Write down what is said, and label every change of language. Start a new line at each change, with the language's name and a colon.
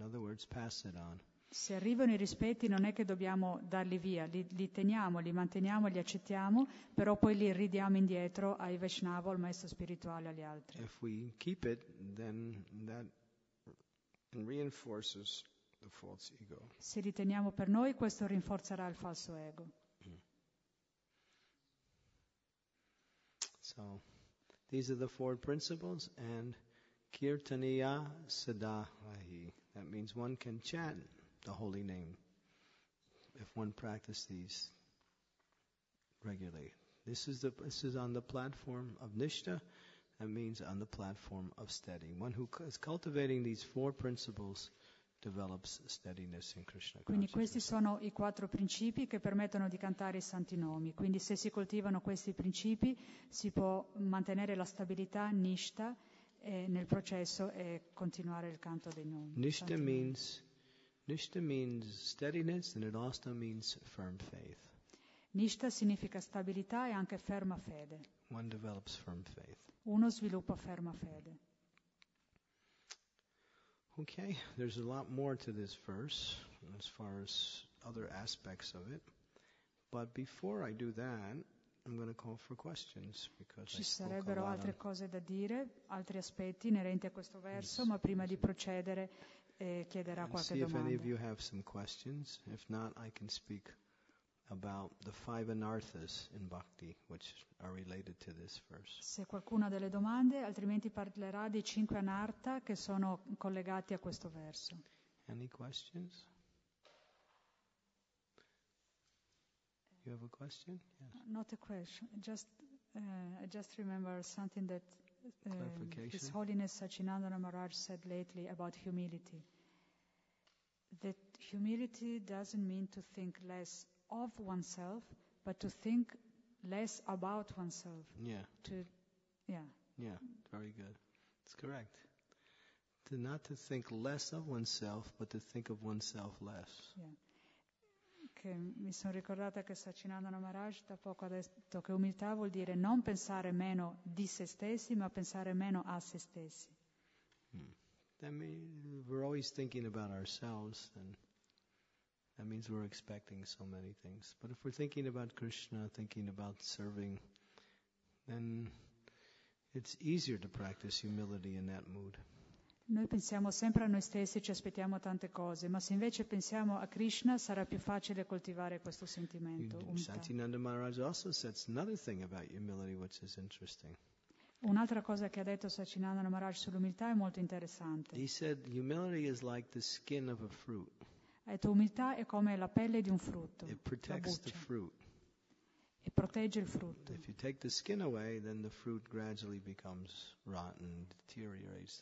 English: In other words, pass it on.
Italian: Se arrivano i rispetti non è che dobbiamo darli via, li teniamo, li manteniamo, li accettiamo, però poi li ridiamo indietro ai Vaishnava, al maestro spirituale, agli altri.
English: If we keep it, then that reinforces the false ego.
Italian: Se li teniamo per noi, questo rinforzerà il falso ego.
English: So, these are the four principles, and kirtaniya sadahi. That means one can chant the holy name, if one practices these regularly. This is on the platform of nishtha, that means on the platform of steady. One who is cultivating these four principles develops steadiness in Krishna consciousness.
Italian: Quindi questi sono i quattro principi che permettono di cantare i santi nomi. Quindi se si coltivano questi principi, si può mantenere la stabilità nishtha nel processo e continuare il canto dei nomi.
English: Nishtha means. Nishtha means steadiness, and it also means firm faith.
Italian: Nishtha significa stabilità e anche ferma fede.
English: One develops firm faith.
Italian: Uno sviluppa ferma fede.
English: Okay, there's a lot more to this verse as far as other aspects of it. But before I do that, I'm going to call for questions because
Italian: ci sarebbero altre cose da dire, altri aspetti inerenti a questo verso, ma prima di procedere e chiederà qualche domanda.
English: See if any of you have some questions. If not, I can speak about the five anarthas in bhakti, which are related to this verse.
Italian: Se qualcuno ha delle domande, altrimenti parlerà dei cinque anartha che sono collegati a questo verso.
English: Any questions? You have a question? Yes. Not a question. I just remember something that His Holiness Sachinandana Maharaj said lately about humility. That humility doesn't mean to think less of oneself, but to think less about oneself. Yeah. Very good. It's correct. To not to think less of oneself, but to think of oneself less. Yeah.
Italian: Che mi sono ricordata che Sachinandana Maharaj da poco ha detto che umiltà vuol dire non pensare meno di se stessi, ma pensare meno a se stessi.
English: That means we're always thinking about ourselves, and that means we're expecting so many things. But if we're thinking about Krishna, thinking about serving, then it's easier to practice humility in that mood.
Italian: Noi pensiamo sempre a noi stessi, ci aspettiamo tante cose, ma se invece pensiamo a Krishna sarà più facile coltivare questo sentimento.
English: Sachinandana Maharaj also says another thing about humility which is interesting.
Italian: Un'altra cosa che ha detto Sachinandana Maharaj sull'umiltà è molto interessante.
English: He said humility is like the skin of a fruit.
Italian: Ha detto umiltà è come la pelle di un frutto.
English: It protects the fruit.
Italian: E protegge il frutto.
English: If you take the skin away, then the fruit gradually becomes rotten, deteriorates.